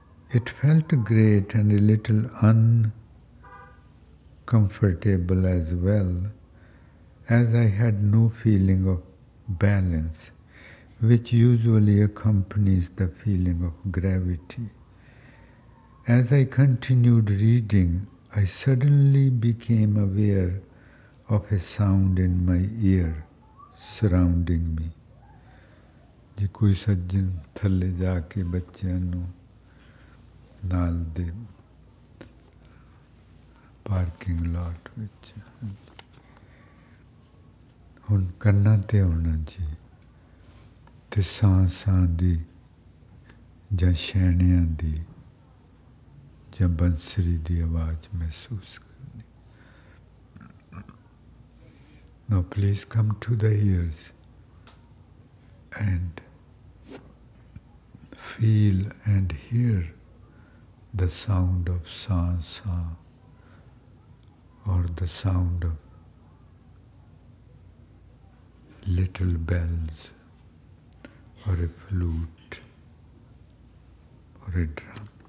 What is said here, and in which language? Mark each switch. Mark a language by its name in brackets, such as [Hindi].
[English] It felt great and a little uncomfortable as well, as I had no feeling of balance, which usually accompanies the feeling of gravity. As I continued reading, I suddenly became aware of a sound in my ear surrounding me. [Punjabi] ਜੇ ਕੋਈ ਸੱਜਣ ਥੱਲੇ ਜਾ ਕੇ ਬੱਚਿਆਂ ਨੂੰ ਨਾਲ ਦੇ parking lot ਵਿੱਚ, ਹੁਣ ਕੰਨਾਂ 'ਤੇ ਆਉਣਾ ਜੀ, ਅਤੇ ਸਾਂ ਸਾਂ ਦੀ ਜਾਂ ਛੈਣਿਆਂ ਦੀ ਜਾਂ ਬੰਸਰੀ ਦੀ ਆਵਾਜ਼ ਮਹਿਸੂਸ ਕਰਨੀ. [English] ਨਾ please come to the ears and feel and hear the sound of sa-sa or the sound of little bells or a flute or a drum.